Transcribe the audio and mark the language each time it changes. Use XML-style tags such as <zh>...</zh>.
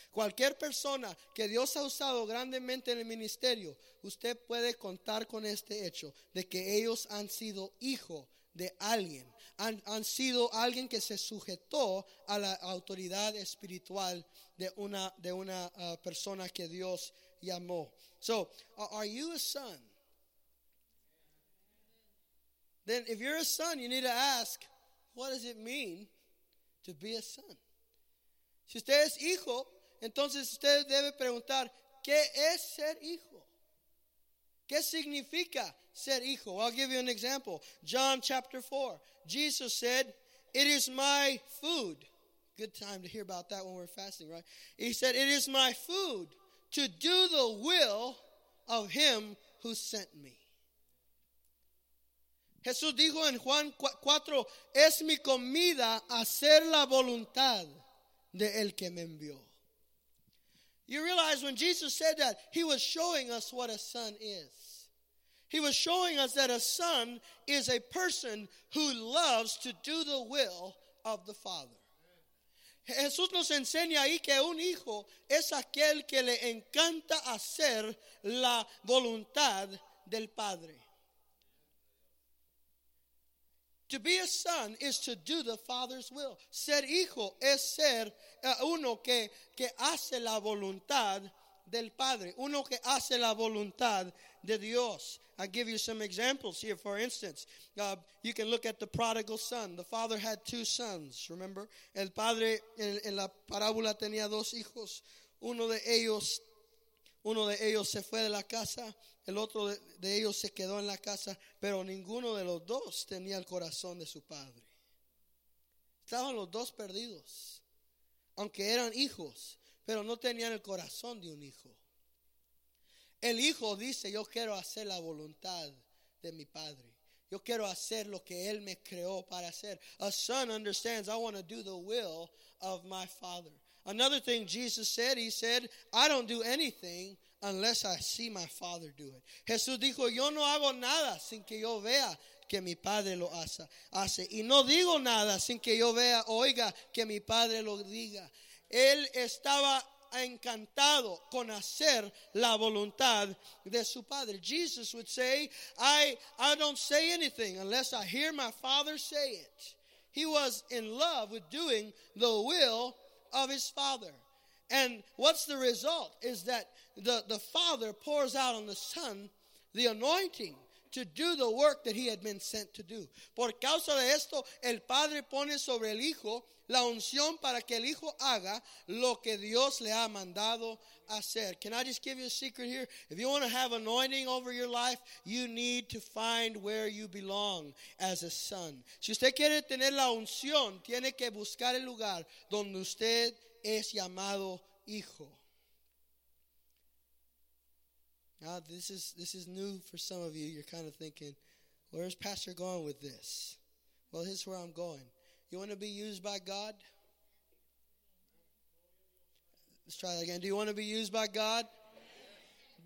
<es>Cualquier persona que Dios ha usado grandemente en el ministerio, usted puede contar con este hecho de que ellos han sido hijo de alguien. Han sido alguien que se sujetó a la autoridad espiritual de una persona que Dios llamó.</es> <en>So, are you a son? Then if you're a son, you need to ask, what does it mean to be a son?</en> <es>Si usted es hijo, Entonces usted debe preguntar, ¿qué es ser hijo? ¿Qué significa ser hijo?</es> <en>I'll give you an example. John chapter 4. Jesus said, it is my food. Good time to hear about that when we're fasting, right? He said, it is my food to do the will of him who sent me.</en> <es>Jesús dijo en Juan 4, es mi comida hacer la voluntad de el que me envió.</es> <en>You realize when Jesus said that, he was showing us what a son is. He was showing us that a son is a person who loves to do the will of the Father.</en> <es>Jesús nos enseña ahí que un hijo es aquel que le encanta hacer la voluntad del Padre.</es> <en>To be a son is to do the Father's will.</en> <es>Ser hijo es ser uno que hace la voluntad del Padre. Uno que hace la voluntad de Dios.</es> <en>I'll give you some examples here. For instance, you can look at the prodigal son. The father had two sons, remember?</en> <es>El padre en la parábola tenía dos hijos. Uno de ellos se fue de la casa. El otro de ellos se quedó en la casa. Pero ninguno de los dos tenía el corazón de su padre. Estaban los dos perdidos. Aunque eran hijos, pero no tenían el corazón de un hijo. El hijo dice, yo quiero hacer la voluntad de mi padre. Yo quiero hacer lo que él me creó para hacer.</es> <en>A son understands, I want to do the will of my father. Another thing Jesus said, he said, I don't do anything unless I see my father do it.</en> <es>Jesús dijo, yo no hago nada sin que yo vea que mi padre lo hace. Y no digo nada sin que yo vea, oiga, que mi padre lo diga. Él estaba encantado con hacer la voluntad de su padre.</es> <en>Jesus would say, I don't say anything unless I hear my father say it. He was in love with doing the will of his father. And what's the result? Is that the father pours out on the son the anointing to do the work that he had been sent to do.</en> <es>Por causa de esto, el padre pone sobre el hijo la unción para que el hijo haga lo que Dios le ha mandado hacer.</es> <en>Can I just give you a secret here? If you want to have anointing over your life, you need to find where you belong as a son.</en> <es>Si usted quiere tener la unción, tiene que buscar el lugar donde usted es llamado hijo.</es> <en>Now, this is new for some of you. You're kind of thinking, where's Pastor going with this? Well, here's where I'm going. You want to be used by God? Let's try that again. Do you want to be used by God? Yes.</en>